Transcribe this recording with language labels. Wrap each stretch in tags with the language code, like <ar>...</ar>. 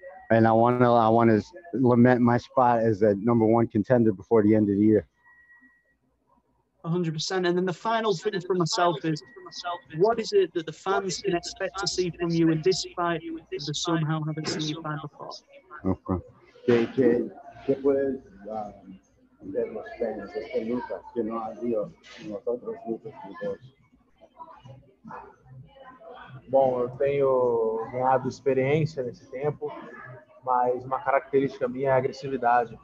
<en>And I want to lament my spot as a number one contender before the end of the year. 100%. And then the final thing for myself is, what is it that the fans can expect to see from you in this fight that they somehow haven't seen you fight before? Okay.</en> <es>¿Qué puedes ver los fans este lucha que no ha habido en los otros luchas anteriores?</es> <pt>Bom, eu tenho ganhado experiência nesse tempo, mas uma característica minha é a agressividade.</pt>